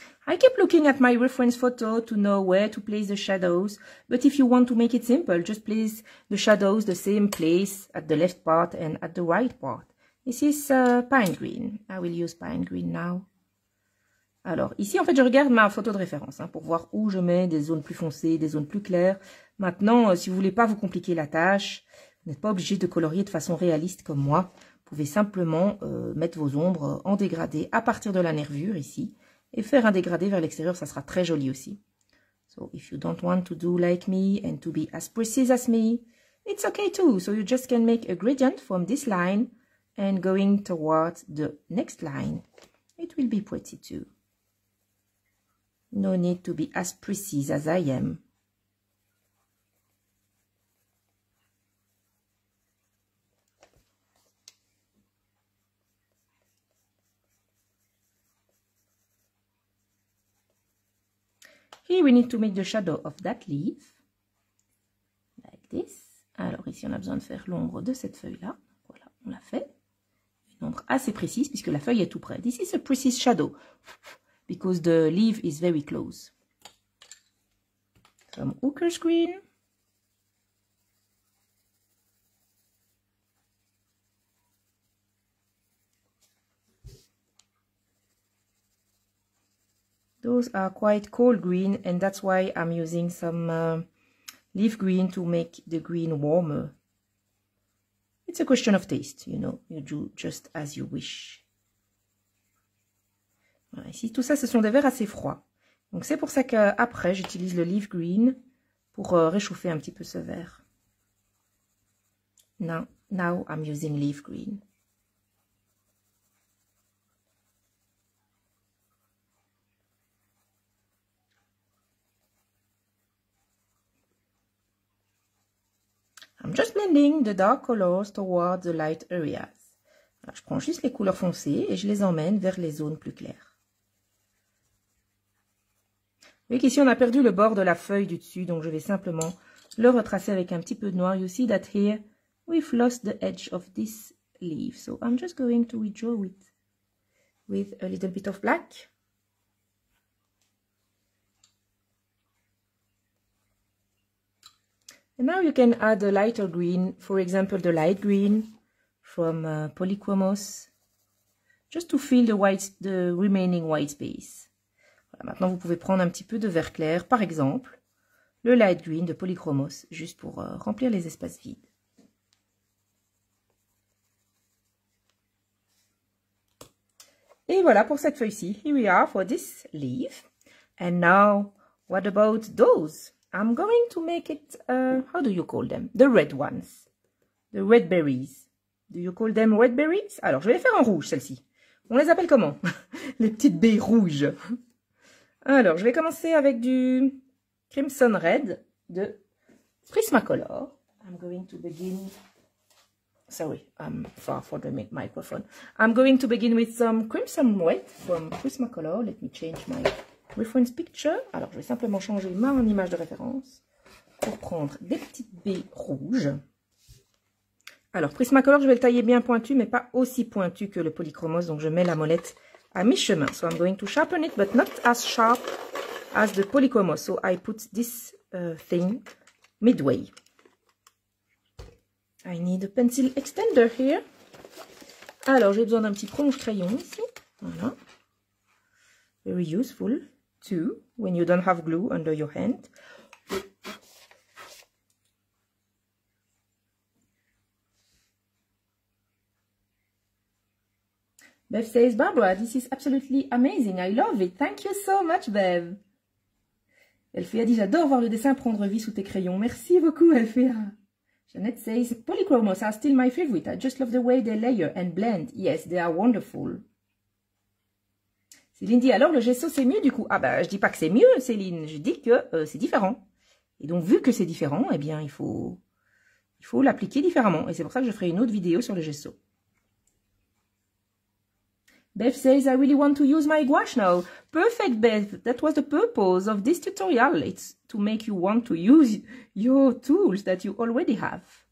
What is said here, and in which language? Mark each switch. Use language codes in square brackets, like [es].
[en] I keep looking at my reference photo to know where to place the shadows, but if you want to make it simple, just place the shadows the same place at the left part and at the right part. This is pine green. I will use pine green now. [fr] Alors ici, en fait, je regarde ma photo de référence hein, pour voir où je mets des zones plus foncées, des zones plus claires. Maintenant, si vous voulez pas vous compliquer la tâche, vous n'êtes pas obligé de colorier de façon réaliste comme moi. Vous pouvez simplement mettre vos ombres en dégradé à partir de la nervure ici. Et faire un dégradé vers l'extérieur, ça sera très joli aussi. [en] So, if you don't want to do like me and to be as precise as me, it's okay too. So, you just can make a gradient from this line and going towards the next line. It will be pretty too. No need to be as precise as I am. Here we need to make the shadow of that leaf, like this. [fr] Alors ici, on a besoin de faire l'ombre de cette feuille-là. Voilà, on l'a fait. Une ombre assez précise, puisque la feuille est tout près. [en] This is a precise shadow, because the leaf is very close. Some ochre green. Those are quite cold green, and that's why I'm using some leaf green to make the green warmer. It's a question of taste, you know. You do just as you wish. [fr] Voilà, ici, tout ça, ce sont des verres assez froids. Donc, c'est pour ça qu'après, j'utilise le leaf green pour réchauffer un petit peu ce verre. [en] Now I'm using leaf green. I'm just blending the dark colors towards the light areas. [fr] Alors, je prends juste les couleurs foncées et je les emmène vers les zones plus claires. Vous voyez qu'ici, on a perdu le bord de la feuille du dessus, donc je vais simplement le retracer avec un petit peu de noir. [en] You see that here, we've lost the edge of this leaf. So I'm just going to redraw it with a little bit of black. And now you can add a lighter green, for example, the light green from Polychromos, just to fill the remaining white space. [fr] Voilà, maintenant, vous pouvez prendre un petit peu de vert clair, par exemple, le light green de Polychromos, juste pour remplir les espaces vides. Et voilà pour cette feuille-ci. [en] Here we are for this leaf. And now, what about those? I'm going to make it, how do you call them? The red ones. The red berries. Do you call them red berries? [fr] Alors, je vais les faire en rouge, celles-ci. On les appelle comment? Les petites baies rouges. Alors, je vais commencer avec du Crimson Red de Prismacolor. [en] I'm going to begin... Sorry, I'm far from the microphone. I'm going to begin with some Crimson Red from Prismacolor. Let me change my... Reference picture. [fr] Alors, je vais simplement changer ma image de référence pour prendre des petites baies rouges. Alors, Prismacolor, je vais le tailler bien pointu, mais pas aussi pointu que le Polychromos. Donc, je mets la molette à mi-chemin. [en] So, I'm going to sharpen it, but not as sharp as the Polychromos. So, I put this thing midway. I need a pencil extender here. [fr] Alors, j'ai besoin d'un petit plonge-crayon ici. [en] Voilà. Very useful. Two, when you don't have glue under your hand. Bev says, Barbara, this is absolutely amazing. I love it. Thank you so much, Bev. [fr] Elfia dit, j'adore voir le dessin prendre vie sous tes crayons. Merci beaucoup, Elfia. [en] Jeanette says, Polychromos are still my favorite. I just love the way they layer and blend. Yes, they are wonderful. [fr] Céline dit, alors le gesso c'est mieux du coup? Ah ben, je dis pas que c'est mieux, Céline, je dis que c'est différent. Et donc, vu que c'est différent, eh bien, il faut l'appliquer différemment. Et c'est pour ça que je ferai une autre vidéo sur le gesso. [en] Beth says, I really want to use my gouache now. Perfect, Beth. That was the purpose of this tutorial. It's to make you want to use your tools that you already have.